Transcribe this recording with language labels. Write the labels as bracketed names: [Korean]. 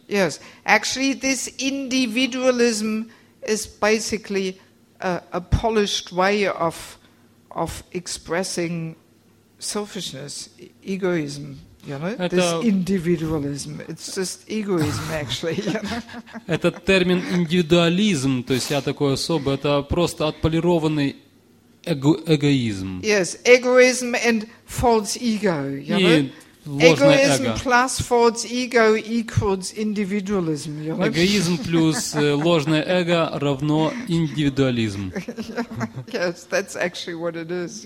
[English] Yes, actually, this individualism is basically a polished way of expressing selfishness, egoism. You know, this individualism. It's just egoism, actually. [Russian] Этот термин индивидуализм, то есть я такой особый, это просто отполированный эгоизм. [English] Yes, egoism and false ego. [Russian] И ложное эго. [English] Egoism plus false ego equals individualism. [Russian] Эгоизм плюс ложное эго равно индивидуализм. [English] Yes, that's actually what it is.